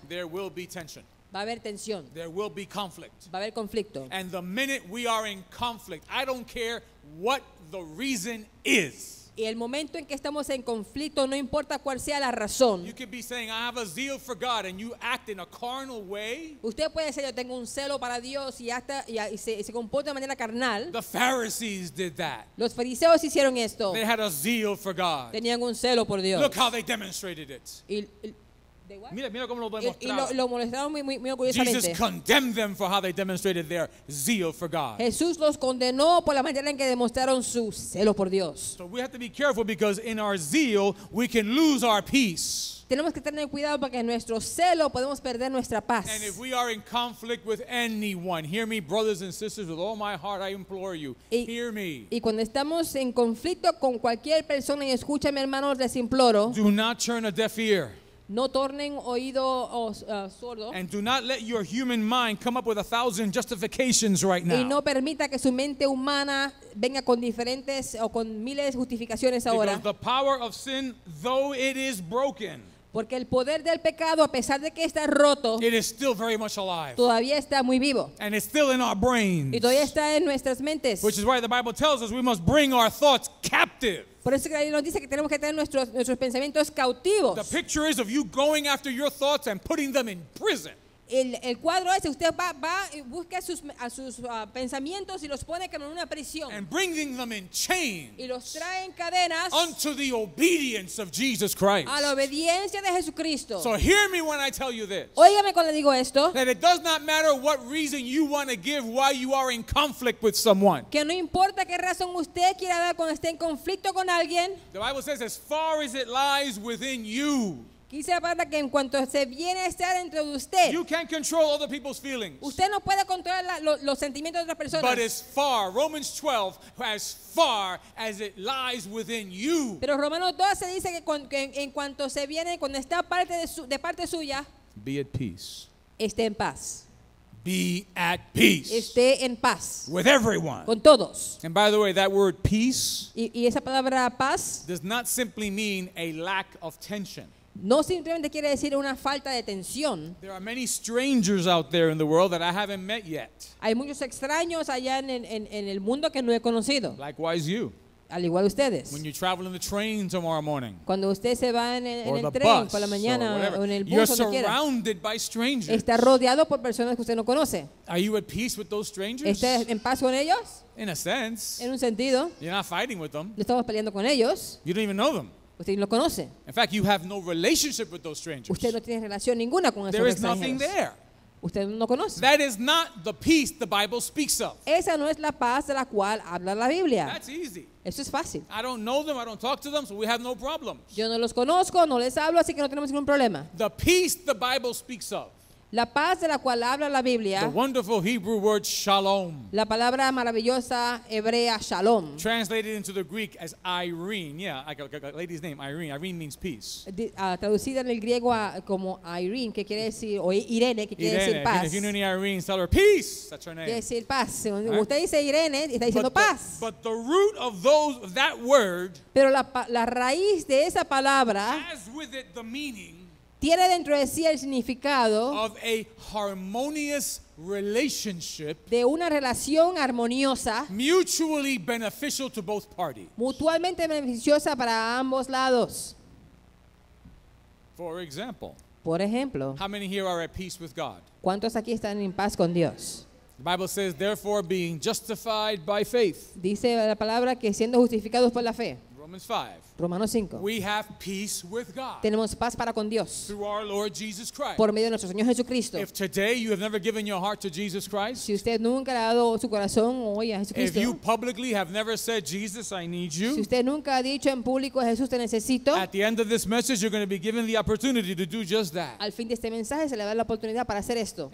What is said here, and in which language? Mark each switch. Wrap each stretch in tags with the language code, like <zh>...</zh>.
<en>there will be tension.</en> <es>Va a haber tensión.</es> <en>There will be conflict.</en> <es>Va a haber conflicto.</es> <en>And the minute we are in conflict, I don't care what the reason is.</en> <es>Y el momento en que estamos en conflicto, no importa cuál sea la razón.</es> <en>You could be saying, I have a zeal for God, and you act in a carnal way.</en> <es>Usted puede decir, yo tengo un celo para Dios, y se comporta de manera carnal.</es> <en>The Pharisees did that.</en> <es>Los fariseos hicieron esto.</es> <en>They had a zeal for God.</en> <es>Tenían un celo por Dios.</es> <en>Look how they demonstrated it.</en> <es>Mira cómo lo molestaron muy orgullosamente.</es> <en>Jesus condemned them for how they demonstrated their zeal for God.</en> <es>Jesús los condenó por la manera en que demostraron su celo por Dios.</es> <en>So we have to be careful because in our zeal we can lose our peace.</en> <es>Tenemos que tener cuidado porque en nuestro celo podemos perder nuestra paz.</es> <en>And if we are in conflict with anyone, hear me, brothers and sisters, with all my heart, I implore you, hear me.</en> <es>Y cuando estamos en conflicto con cualquier persona, y escúchame, hermanos, les imploro.</es> <en>Do not turn a deaf ear.</en> <es>No tornen oído sordo.</es> <en>And do not let your human mind come up with 1,000 justifications right now.</en> <es>Y no permita que su mente humana venga con diferentes o con miles de justificaciones ahora.</es> <en>Because the power of sin, though it is broken,</en> <es>porque el poder del pecado, a pesar de que está roto,</es> <en>it is still very much alive.</en> <es>Todavía está muy vivo.</es> <en>And it's still in our brains.</en> <es>Y todavía está en nuestras mentes.</es> <en>Which is why the Bible tells us we must bring our thoughts captive.</en> <es>Por eso que ahí nos dice que tenemos que tener nuestros pensamientos cautivos.</es> <en>The picture is of you going after your thoughts and putting them in prison.</en> <es>El cuadro ese, usted va y busca a sus pensamientos y los pone como en una prisión.</es> <en>And bringing them in chains.</en> <es>Y los trae en cadenas.</es> <en>Unto the obedience of Jesus Christ.</en> <es>A la obediencia de Jesucristo.</es> <en>So hear me when I tell you this.</en> <es>Óigame cuando digo esto.</es> <en>That it does not matter what reason you want to give why you are in conflict with someone.</en> <es>Que no importa qué razón usted quiera dar cuando esté en conflicto con alguien.</es> <en>The Bible says, as far as it lies within you.</en> <es>Dice la palabra que en cuanto se viene a estar dentro de usted,</es> <en>you can't control other people's feelings.</en> <es>Usted no puede controlar los sentimientos de otras personas.</es> <en>But as far, Romans 12, as far as it lies within you.</en> <es>Pero Romanos 12 dice que en cuanto se viene, cuando está parte suya,</es> <en>be at peace.</en> <es>Esté en paz.</es> <en>Be at peace.</en> <es>Esté en paz.</es> <en>With everyone.</en> <es>Con todos.</es> <en>And by the way, that word peace</en> <es>y esa palabra paz</es> <en>does not simply mean a lack of tension.</en> <es>No simplemente quiere decir una falta de tensión.</es> <en>There are many strangers out there in the world that I haven't met yet.</en> <es>Hay muchos extraños allá en el mundo que no he conocido.</es> <en>Likewise you.</en> <es>Al igual ustedes.</es> <en>When you travel in the train tomorrow morning.</en> <es>Cuando usted se va en el tren por la mañana o en el bus,</es> <en>you're surrounded by strangers.</en> <es>Está rodeado por personas que usted no conoce.</es> <en>Are you at peace with those strangers?</en> <es>¿Está en paz con ellos?</es> <en>In a sense.</en> <es>En un sentido.</es> <en>You're not fighting with them.</en> <es>No estamos peleando con ellos.</es> <en>You don't even know them.</en> <es>Usted no lo conoce.</es> <en>In fact, you have no relationship with those strangers.</en> <es>Usted no tiene relación ninguna con esos</es> <en>there</en> <es>extranjeros.</es> <en>Is nothing there.</en> <es>Usted no lo conoce.</es> <en>That is not the peace the Bible speaks of.</en> <es>Esa no es la paz de la cual habla la Biblia.</es> <en>That's easy.</en> <es>Eso es fácil.</es> <en>I don't know them, I don't talk to them, so we have no problems.</en> <es>Yo no los conozco, no les hablo, así que no tenemos ningún problema.</es> <en>The peace the Bible speaks of.</en> <es>La paz de la cual habla la Biblia.</es> <en>The wonderful Hebrew word shalom.</en> <es>La palabra maravillosa hebrea shalom.</es> <en>Translated into the Greek as Irene. Yeah, I got a lady's name, Irene. Irene means peace.</en> <es>Traducida en el griego como Irene, que quiere decir, o Irene, que quiere Irene, decir paz.</es> <en>If you know any Irene, tell her peace. That's her name.</en> <es>Quiere decir paz. Usted dice Irene, está diciendo</es> <en>but</en> <es>paz.</es> <en>But the root of those, that word.</en> <es>Pero la raíz de esa palabra.</es> <en>Has with it the meaning.</en> <es>Tiene dentro de sí el significado</es> <en>of a harmonious relationship</en> <es>de una relación armoniosa</es> <en>mutually beneficial to both parties.</en> <es>Mutualmente beneficiosa para ambos lados.</es> <en>For example,</en> <es>por ejemplo,</es> <en>how many here are at peace with God?</en> <es>¿Cuántos aquí están en paz con Dios?</es> <en>The Bible says, therefore being justified by faith.</en> <es>Dice la palabra que siendo justificados por la fe.</es> <en>Romans 5.</en> <es>Romanos 5.</es> <en>We have peace with God.</en> <es>Tenemos paz para con Dios.</es> <en>Through our Lord Jesus Christ.</en> <es>Por medio de nuestro Señor Jesucristo.</es> <en>If today you have never given your heart to Jesus Christ.</en> <es>Si usted nunca ha dado su corazón hoy a Jesucristo.</es> <en>If you publicly have never said, Jesus, I need you.</en> <es>Si usted nunca ha dicho en público, Jesús, te necesito.</es> <en>At the end of this message, you're going to be given the opportunity to do just that.</en> <es>Al fin de este mensaje se le va a dar la oportunidad para hacer esto.</es>